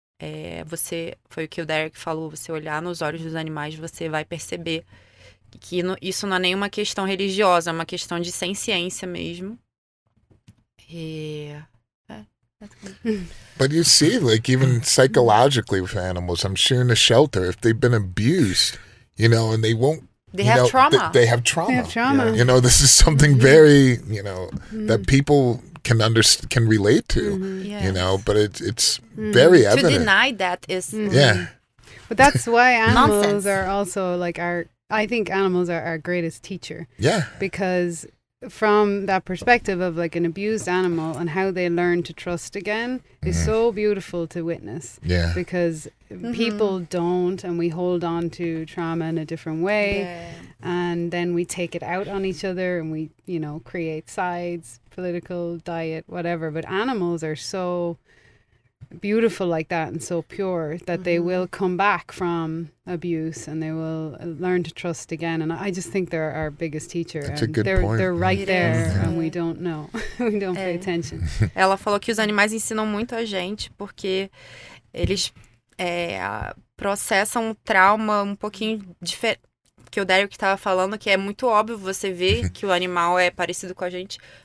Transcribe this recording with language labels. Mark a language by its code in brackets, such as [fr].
[pt] É, você, foi o que o Derrick falou, você olhar nos olhos dos animais, você vai perceber que no, isso não é nenhuma questão religiosa, é uma questão de senciência mesmo. E... [en] But you see, like, even psychologically with animals, I'm sure in a shelter, if they've been abused, you know, and they won't... They have, know, they have trauma. Yeah. You know, this is something very, you know, that people can understand, can relate to, you know, but it's very evident. To deny that is... Yeah. But that's why animals are also, like, our... I think animals are our greatest teacher. Yeah. Because... From that perspective of like an abused animal and how they learn to trust again is so beautiful to witness. Yeah. Because people don't, and we hold on to trauma in a different way. Yeah. And then we take it out on each other and we, you know, create sides, political, diet, whatever. But animals are so beautiful like that and so pure that they will come back from abuse and they will learn to trust again. And I just think they're our biggest teacher. That's a good point. They're right there and we don't know. We don't pay attention. [pt] Ela falou que os animais ensinam muito a gente porque eles processam o trauma um pouquinho diferente. Que o Derrick estava falando que é muito óbvio você ver que o animal é parecido com a gente.